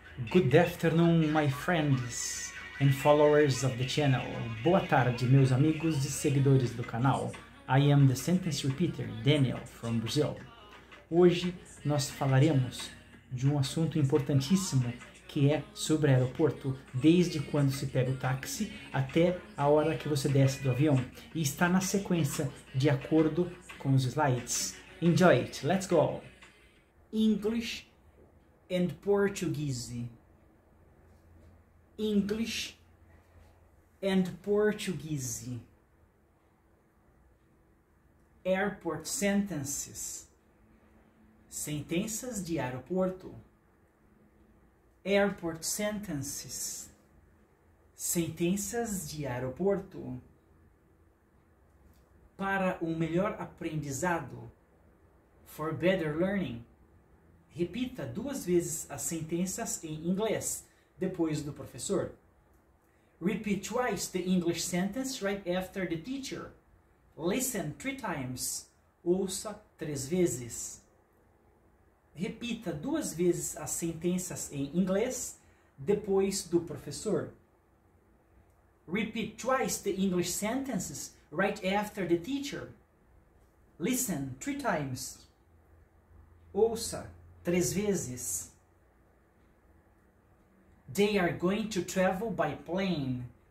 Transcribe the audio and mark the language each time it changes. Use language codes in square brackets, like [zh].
[en] Good afternoon, my friends and followers of the channel. [pt] Boa tarde, meus amigos e seguidores do canal. [en] I am the sentence repeater, Daniel, from Brazil. [pt] Hoje nós falaremos de um assunto importantíssimo que é sobre aeroporto, desde quando se pega o táxi até a hora que você desce do avião. E está na sequência, de acordo com os slides. [en] Enjoy it, let's go! English and Portuguese. English and Portuguese. Airport sentences. [pt] Sentenças de aeroporto. [en] Airport sentences. [pt] Sentenças de aeroporto. Para um melhor aprendizado. [en] For better learning. [pt] Repita duas vezes as sentenças em inglês, depois do professor. [en] Repeat twice the English sentence right after the teacher. Listen three times. [pt] Ouça três vezes. Repita duas vezes as sentenças em inglês, depois do professor. [en] Repeat twice the English sentences right after the teacher. Listen three times. [pt] Ouça três vezes. [en] They are going to travel by plane.